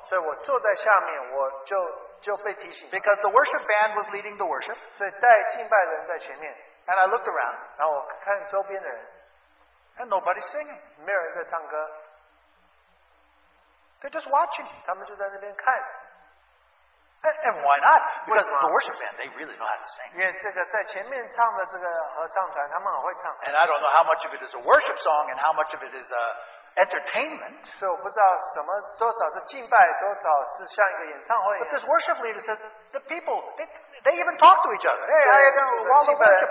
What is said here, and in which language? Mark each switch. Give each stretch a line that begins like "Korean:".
Chinese: 所以我坐在下面, 就被提醒,
English: because the worship band was leading the worship. And I looked around,
Chinese: 然后我看周边的人,
English: and nobody's singing.
Chinese: 没有人在唱歌,
English: they're just watching.
Chinese: 他们就在那边看,
English: and why not? Because the worship band, they really know how to sing.
Chinese: 因为这个在前面唱的这个合唱团, 他们很会唱,
English: and I don't know how much of it is a worship song and how much of it is a entertainment.
Chinese: 所以我不知道什么,多少是敬拜, 多少是像一个演唱会,
English: but this worship leader says the people, they even talk to each other.